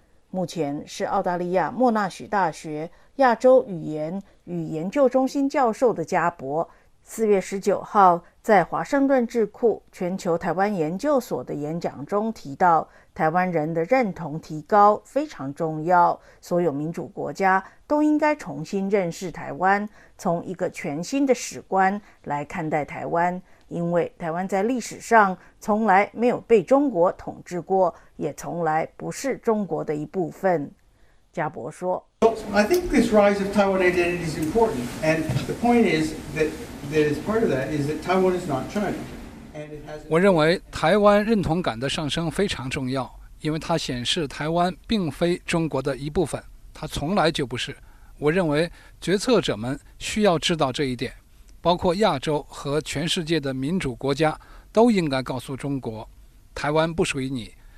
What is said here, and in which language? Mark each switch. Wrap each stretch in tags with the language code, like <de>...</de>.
<zh>目前是澳大利亚莫纳许大学亚洲语言与研究中心教授的加伯，4月19号在华盛顿智库全球台湾研究所的演讲中提到，台湾人的认同提高非常重要，所有民主国家都应该重新认识台湾，从一个全新的史观来看待台湾，因为台湾在历史上从来没有被中国统治过，也从来不是中国的一部分。加伯说，</zh> <en>I think this rise of Taiwan identity is important, and the point is that is part of that is that Taiwan is not China.</en> <zh>我认为台湾认同感的上升非常重要，因为它显示台湾并非中国的一部分，它从来就不是。我认为决策者们需要知道这一点，包括亚洲和全世界的民主国家都应该告诉中国，台湾不属于你。</zh>